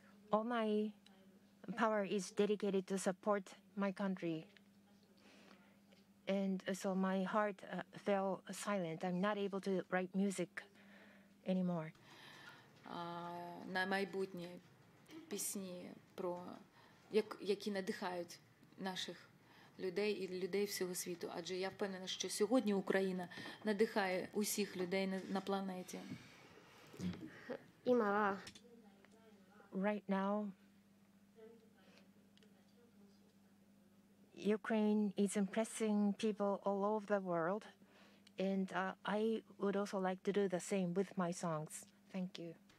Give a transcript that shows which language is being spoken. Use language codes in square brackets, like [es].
[en] All my power is dedicated to support my country. And so my heart fell silent. I'm not able to write music anymore. [uk] На майбутнє пісні про які надихають наших людей і людей всього світу. Адже я впевнена, що сьогодні Україна надихає усіх людей на планеті. [en] Right now, Ukraine is impressing people all over the world, and I would also like to do the same with my songs. Thank you.